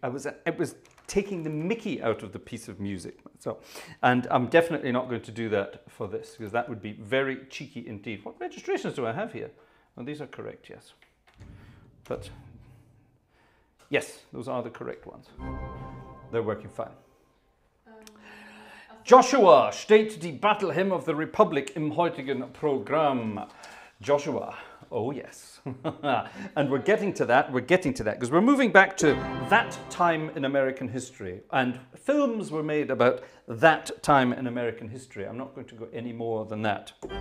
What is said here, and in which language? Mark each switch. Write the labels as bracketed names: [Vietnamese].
[English] It was taking the mickey out of the piece of music. So, and I'm definitely not going to do that for this, because that would be very cheeky indeed. What registrations do I have here? Well, these are correct, yes. But yes, those are the correct ones. They're working fine. [German] Joshua, steht die Battle Hymn of the Republic im heutigen Programm. [English] Joshua, oh yes. And we're getting to that, because we're moving back to that time in American history, and films were made about that time in American history. I'm not going to go any more than that.